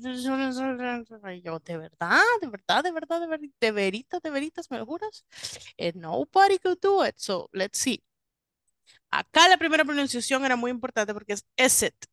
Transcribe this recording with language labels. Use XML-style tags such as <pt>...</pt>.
<es>Yo, de verdad, de verdad, de verdad, de verdad, de veritas, de veritas, ¿me lo juras?</es> <en>And nobody could do it, so let's see.</en> <es>Acá la primera pronunciación era muy importante porque es it.</es>